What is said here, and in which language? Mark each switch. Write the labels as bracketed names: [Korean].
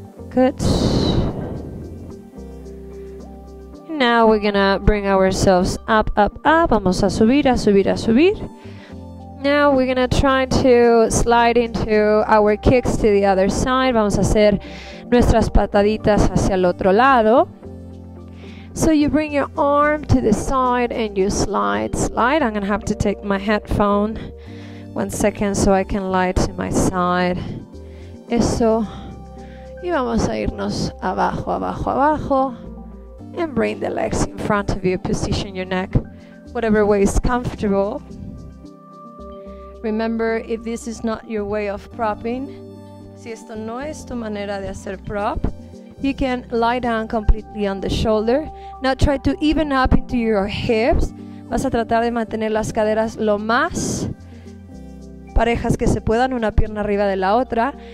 [English] Good. Now we're going to bring ourselves up, up, up. [Spanish] Vamos a subir, a subir, a subir. [English] Now we're going to try to slide into our kicks to the other side. [Spanish] Vamos a hacer nuestras pataditas hacia el otro lado. [English] So you bring your arm to the side and you slide, slide. I'm going to have to take my headphone. 1 second so I can lie to my side. Eso. [Spanish] Y vamos a irnos abajo, abajo, abajo. [English] And bring the legs in front of you. Position your neck whatever way is comfortable. Remember, if this is not your way of propping, [Spanish] si esto no es tu manera de hacer prop, [English] you can lie down completely on the shoulder. Now try to even up into your hips. [Spanish] Vas a tratar de mantener las caderas lo más parejas que se puedan, una pierna arriba de la otra.